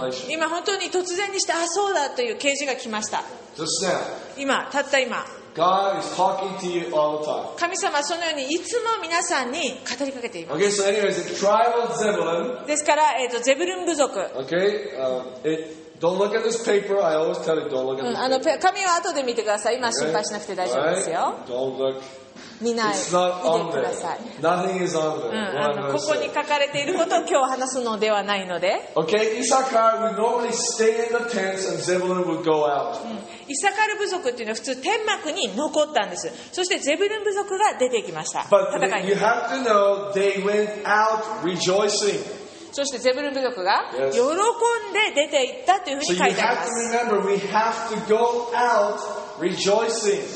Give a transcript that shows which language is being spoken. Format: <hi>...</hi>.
<ja>今本当に突然にしてあそうだという啓示が来ました。今たった今</ja> <en>God is talking to you all the time.</en> <ja>神様はそのようにいつも皆さんに語りかけています。</ja> <en>Okay, so anyways, the tribe of Zebulun.</en> <ja>ですから、ゼブルン部族。</ja> <en>Okay, don't look at this paper. I always tell you, don't look at this paper.</en> <ja>紙は後で見てください。今心配しなくて大丈夫ですよ。</ja> <en>Right. Don't look.</en> <ja>見ない。</ja> <en>It's not on there. Nothing is on there.</en> <ja>ここに書かれていることを今日話すのではないので。</ja> <en>Okay, Issachar would normally stay in the tents and Zebulun would go out.</en> <ja>イサカル部族っていうのは普通天幕に残ったんです。そしてゼブルン部族が出てきました。戦いに。そしてゼブルン部族が喜んで出て行ったというふうに書いてあります。</ja> <en>So you have to remember, we have to go out rejoicing.</en>